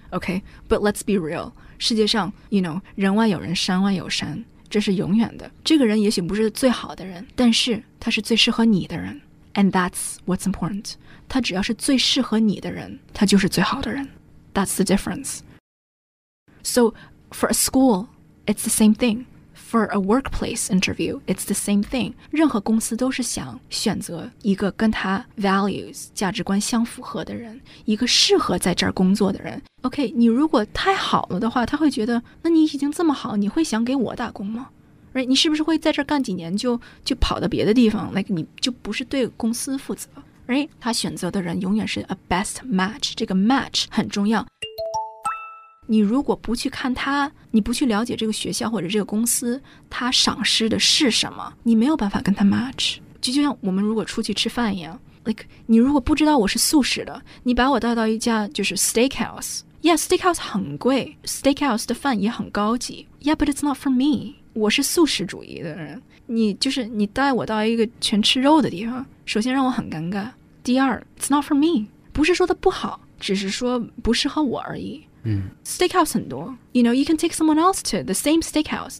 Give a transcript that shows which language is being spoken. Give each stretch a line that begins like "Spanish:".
English: Okay, but let's be real. 世界上 ，you know,
Chinese: 人外有人，山外有山。这是永远的。这个人也许不是最好的人，但是他是最适合你的人。
English: And that's what's important.
Chinese: 他只要是最适合你的人，他就是最好的人。
English: That's the difference. So for a school, it's the same thing. For a workplace interview, it's the same thing.
Chinese: 任何公司都是想选择一个跟他 values, 价值观相符合的人，一个适合在这儿工作的人。 OK, 你如果太好了的话，他会觉得，那你已经这么好，你会想给我打工吗？ Right, 你是不是会在这儿干几年就跑到别的地方， like, 你就不是对公司负责。
English: Right?
Chinese: 他选择的人永远是
English: a best match,
Chinese: 这个 match 很重要。你如果不去看他，你不去了解这个学校或者这个公司，他赏识的是什么，你没有办法跟他 match。就像我们如果出去吃饭一样。 Like, 你如果不知道我是素食的，你把我带到一家就是 steakhouse。 Yeah, steakhouse 很贵， steakhouse 的饭也很高级。
English: Yeah, but it's not for me.
Chinese: 我是素食主义的人。你就是你带我到一个全吃肉的地方，首先让我很尴尬。第二，
English: it's not for me.
Chinese: 不是说它不好，只是说不适合我而已。
English: Steakhouse
Chinese: 很多，
English: you know, you can take someone else to the same steakhouse.